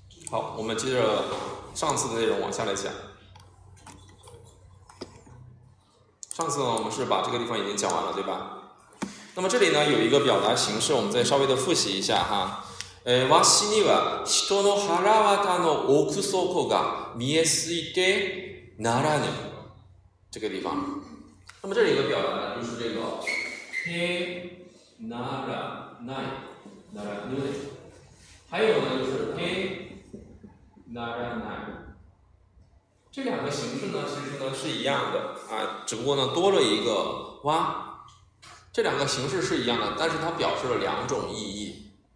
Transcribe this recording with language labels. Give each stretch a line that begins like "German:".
Chinese: 好，我们接着上次的内容往下来讲。上次呢，我们是把这个地方已经讲完了，对吧？那么这里呢，有一个表达形式，我们再稍微的复习一下哈。
Japanese: わしには人の腹渡の奥底が見えすぎてならぬ。
Chinese: 这个地方。那么这里一个表达呢，就是这个へならないならぬ。还有呢，就是へ。这两个形式呢，其实呢是一样的啊，只不过呢多了一个哇，这两个形式是一样的，但是它表示了两种意义。